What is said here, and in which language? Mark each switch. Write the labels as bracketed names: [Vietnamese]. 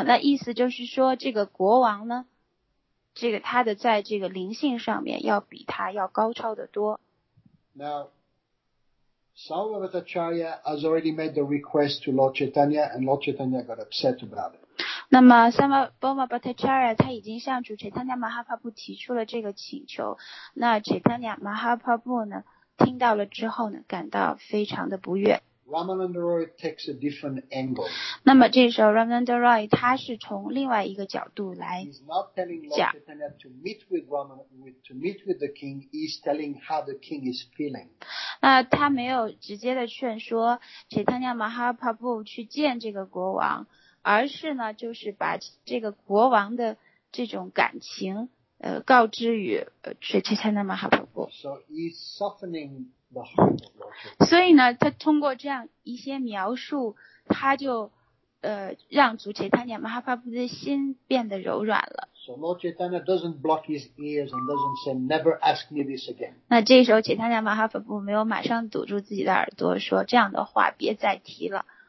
[Chinese] 那意思就是说，这个国王呢，这个他的在这个灵性上面要比他要高超得多。 [English] Now, Sauvavatacharya has already made the request to Lord Chaitanya, and Lord Chaitanya got upset about it. [Chinese] 那么 Sarvabhaumabhattacharya 他已经向主 Chaitanya Mahaprabhu 提出了这个请求，那 Chaitanya Mahaprabhu 呢听到了之后呢感到非常的不悦。 [English] Ramananda Roy takes a different angle. [Chinese] 那么这时候 Ramananda Roy 他是从另外一个角度来讲。 [English] He's not telling Lord Chaitanya to meet with the king, he's telling how the king is feeling. [Chinese] 那他没有直接的劝说 Chaitanya Mahaprabhu 去见这个国王。而是呢就是把这个国王的这种感情告知于水切切那么哈婆婆。 [English] So he's softening the heart of Lord Chaitanya. [Chinese] 所以呢他通过这样一些描述他就让主切切那么哈婆婆的心变得柔软了。 [English] So Lord Chaitanya doesn't block his ears and doesn't say never ask me this again. [Chinese] 那这时候切切那么哈婆婆没有马上堵住自己的耳朵说这样的话别再提了。